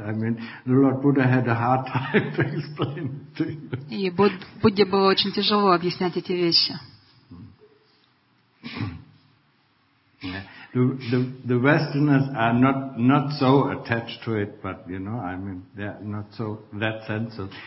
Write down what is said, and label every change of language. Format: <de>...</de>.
<en>I mean, the Lord Buddha had a hard time to explain it to you.</en> <ru>И Будде было очень тяжело объяснять эти вещи.</ru> <en>The Westerners are not so attached to it, but you know, I mean, they're not so that sensitive.</en>